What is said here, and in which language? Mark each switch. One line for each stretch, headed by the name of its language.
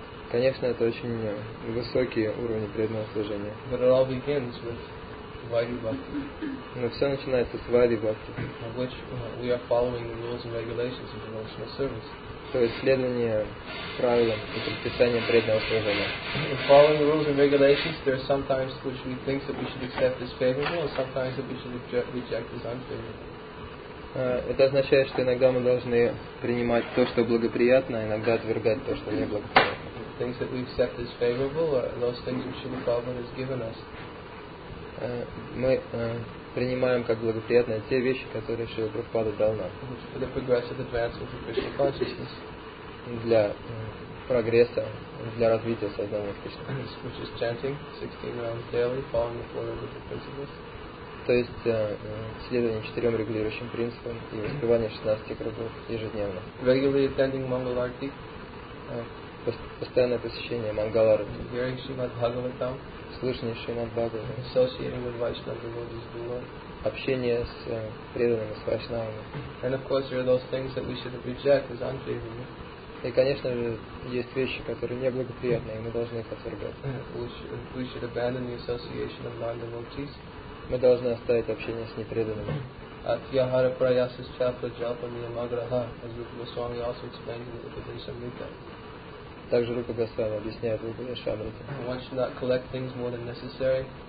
Russian: Конечно, это очень высокие уровни преданного служения.
English: But it all begins with vaidhi bhakti.
Russian: Но все начинается с vaidhi bhakti.
English: Of which we are following the rules and regulations of devotional service.
Russian: То есть следование правилам и предписаниям преданного служения.
English: We're following the rules and regulations. There are sometimes which we think that we should accept as favorable, and sometimes that we should reject as unfavorable.
Russian: Это означает, что иногда мы должны принимать то, что благоприятно, а иногда отвергать то, что неблагоприятно.
English: Things that we accept as favorable are those things which the Prabhupada has given us.
Russian: Мы принимаем как благоприятные те вещи, которые Шрила Прабхупада дал нам.
English: For the progressive advancement of Krishna consciousness.
Russian: Для прогресса, для развития сознания Кришны.
English: Which is chanting 16 rounds daily, following the four regulative principles.
Russian: То есть следование четырем регулирующим принципам и воспевание 16 кругов ежедневно.
English: Regularly attending Mangalarti.
Russian: постоянное посещение Мангалары,
English: hearing Shrimad Bhagavatam,
Russian: слышание Шримад Бхагаватам,
English: associating with Vaishnava devotees below,
Russian: общение с преданными, с вайшнавами.
English: And of course there are those things that we should reject as unfavorable.
Russian: И, конечно же, есть вещи, которые неблагоприятны, и мы должны их отвергать.
English: We should abandon the association of non-devotees.
Russian: Мы должны оставить общение с непреданными.
Sanskrit: Atyahara prayasas chapa japa niyamagraha,
English: as Rupa Goswami also explained in the Upadeshamrita.
Russian: Также Рупа Госвами объясняет в Упадешамрите.
English: One should not collect things more than necessary.